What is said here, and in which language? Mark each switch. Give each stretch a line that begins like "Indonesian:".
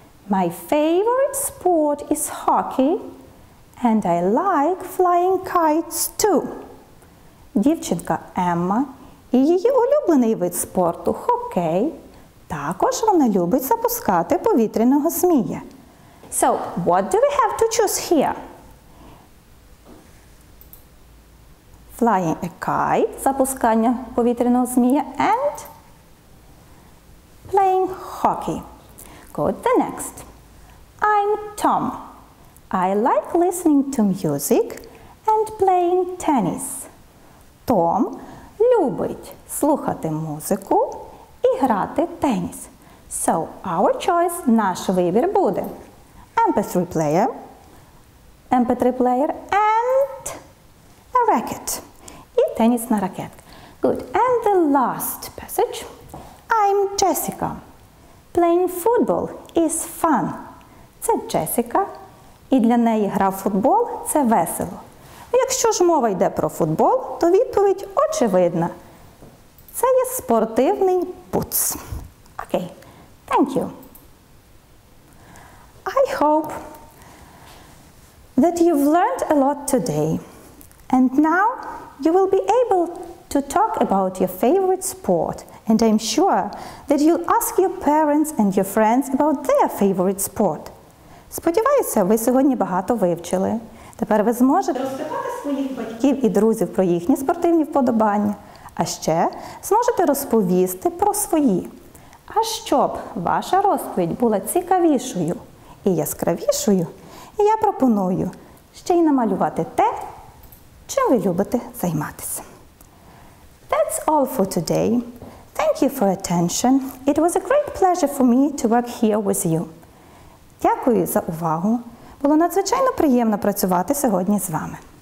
English: My favorite sport is hockey and I like flying kites too.
Ukrainian: Дівчинка Емма і її улюблений вид спорту – хокей. Також вона любить запускати повітряного змія.
English: So, what do we have to choose here? Flying a kite –
Ukrainian: запускання повітряного змія.
English: And playing hockey. Good, the next. I'm Tom. I like listening to music and playing tennis.
Ukrainian: Том любить слухати музику і грати теніс.
English: So, our choice,
Ukrainian: наш вибір буде
English: MP3 player and a racket.
Ukrainian: І тенісна ракетка.
English: Good. And the last passage. I'm Jessica. Playing football is fun.
Ukrainian: Це Джесіка. І для неї гра в футбол – це весело. Якщо ж мова йде про футбол, то відповідь очевидна. Це є спортивний бутс. Окей,
English: thank you. I hope that you've learned a lot today. And now you will be able to talk about your favorite sport. And I'm sure that you'll ask your parents and your friends about their favorite sport.
Ukrainian: Сподіваюся, ви сьогодні багато вивчили. Тепер ви зможете розпитати своїх батьків і друзів про їхні спортивні вподобання, а ще зможете розповісти про свої. А щоб ваша розповідь була цікавішою і яскравішою, я пропоную ще й намалювати те, чим ви любите займатися.
English: That's all for today. Thank you for attention. It was a great pleasure for me to work here with you.
Ukrainian: Дякую за увагу. Було надзвичайно приємно працювати сьогодні з вами.